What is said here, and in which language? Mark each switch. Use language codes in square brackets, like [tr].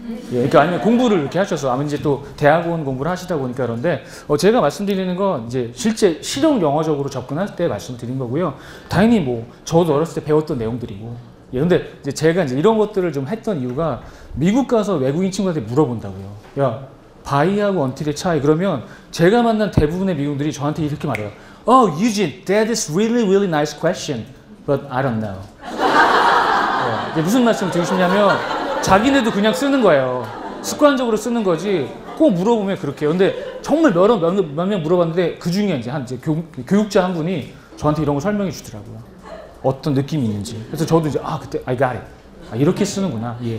[ko] 예, 그러니까 아니면 공부를 이렇게 하셔서 아마 이제 또 대학원 공부를 하시다 보니까 그런데 제가 말씀드리는 건 이제 실제 실용 영어적으로 접근할 때 말씀드린 거고요. 당연히 뭐 저도 어렸을 때 배웠던 내용들이고. 예, 근데 이제 제가 이제 이런 것들을 좀 했던 이유가 미국 가서 외국인 친구한테 물어본다고요. 야, 바이하고 언틸의 차이. 그러면 제가 만난 대부분의 미국인들이 저한테 이렇게 말해요. [en] Oh, Eugene, that is really, really nice question. But I don't know. [ko] 네, 무슨 말씀을 드리고 싶냐면 자기네도 그냥 쓰는 거예요. 습관적으로 쓰는 거지 꼭 물어보면 그렇게 해요. 근데 정말 몇 명 물어봤는데 그중에 이제 한 이제 교육자 한 분이 저한테 이런 걸 설명해 주더라고요. 어떤 느낌이 있는지. 그래서 저도 이제 아 그때 [en] I got it. [ko] 아, 이렇게 쓰는구나. 예.